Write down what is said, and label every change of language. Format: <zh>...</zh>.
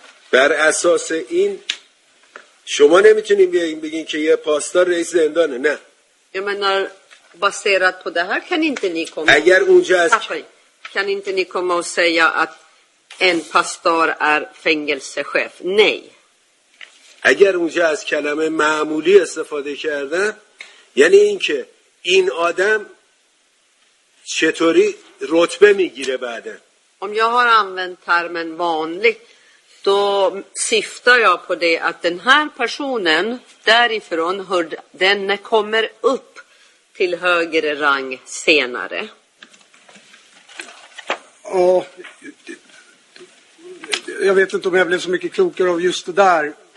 <sv>Bär asas in</sv> <fa>شما نمیتونین بیاین بگین که یه پاستور رئیس زندانه نه.</fa> <sv>Jag menar baserat på det här kan inte ni komma.</sv> <fa>Agar unja az</fa> <sv>kan inte ni komma och säga att en pastor är fängelsechef? Nej.</sv> <fa>اگر اونجا از کلمه معمولی استفاده کردم یعنی اینکه این آدم چطوری رتبه میگیره بعد.</fa> <sv>Om jag har använt termen vanlig då syftar jag på det att den här personen därifrån hör den kommer upp till högre rang senare. Ja, jag vet inte om jag blev så mycket klokare av just det där.</sv>